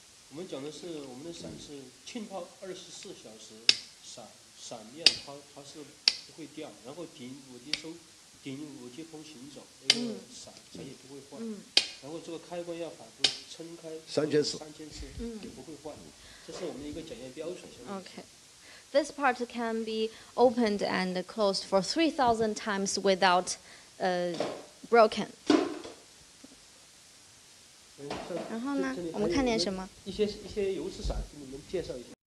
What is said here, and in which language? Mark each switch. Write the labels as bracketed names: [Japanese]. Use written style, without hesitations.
[Chinese] 我们讲的是我们的伞是浸泡24小时，伞面它是不会掉，然后顶五级风行走，那个伞它也不会坏。嗯，然后这个开关要反复撑开三千次，也不会坏，这是我们的一个检验标准。 OK。 [English] This part can be opened and closed for 3,000 times without broken. [Chinese] 然后呢，我们看点什么？一些油纸伞，给你们介绍一下。